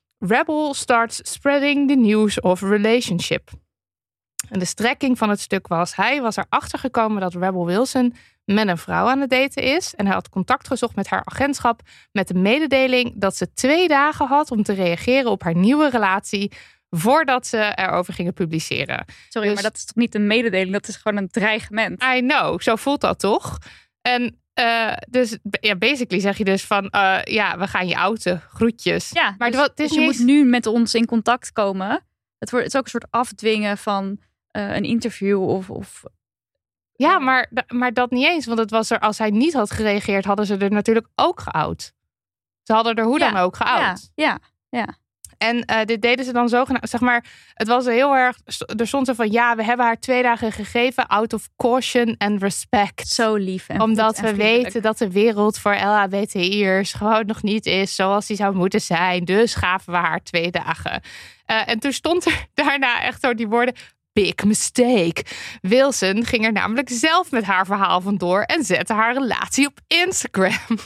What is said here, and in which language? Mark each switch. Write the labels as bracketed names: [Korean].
[English] Rebel starts spreading the news of relationship. [Dutch] En de strekking van het stuk was... hij was erachter gekomen dat Rebel Wilson met een vrouw aan het daten is. En hij had contact gezocht met haar agentschap... met de mededeling dat ze 2 dagen had om te reageren op haar nieuwe relatie... voordat ze erover gingen publiceren. Sorry, dus, maar dat is toch niet een mededeling? Dat is gewoon een dreigement. [English] I know, [Dutch] zo voelt dat toch? En dus ja, basically zeg je dus van... we gaan je outen, groetjes. Ja, maar dus, je moet nu met ons in contact komen... Het is ook een soort afdwingen van een interview of... Ja, maar dat niet eens. Want het was er, als hij niet had gereageerd, hadden ze er natuurlijk ook geout. Ze hadden er hoe dan ook geout. Ja. En dit deden ze dan zogenaamd... Zeg maar, het was heel erg... Er stond ze van, ja, we hebben haar 2 dagen gegeven... [English] out of caution and respect. [Dutch] Zo lief. En omdat we weten dat de wereld voor LHBTI'ers... gewoon nog niet is zoals die zou moeten zijn. Dus gaven we haar 2 dagen. En toen stond er daarna echt door die woorden... [English] big mistake. [Dutch] Wilson ging er namelijk zelf met haar verhaal vandoor... en zette haar relatie op Instagram.